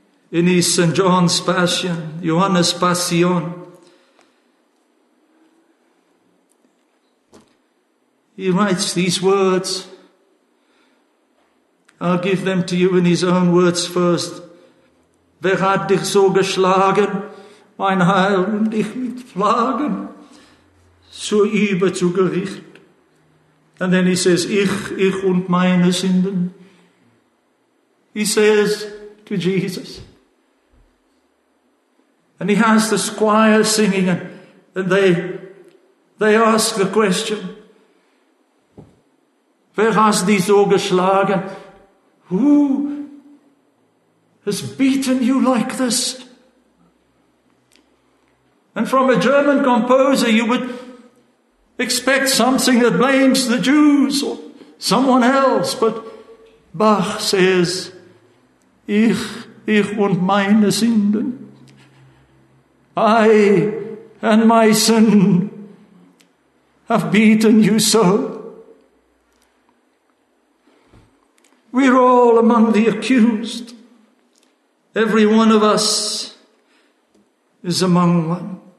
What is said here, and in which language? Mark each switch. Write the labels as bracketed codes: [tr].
[en] In his St. John's Passion, Johannes Passion. He writes these words. I'll give them to you in his own words first. [de] Wer hat dich so geschlagen, mein Heil, um dich mit Flagen zur Übe zu gericht? [en] And then he says, [de] ich und meine Sünden. [en] He says to Jesus. And he has the choir singing, and they ask the question, [de] wer hast dich so geschlagen? [en] Who has beaten you like this? And from a German composer, you would expect something that blames the Jews or someone else. But Bach says, [de] ich und meine Sünden. [en] I and my sin have beaten you so. We're all among the accused. Every one of us is among one.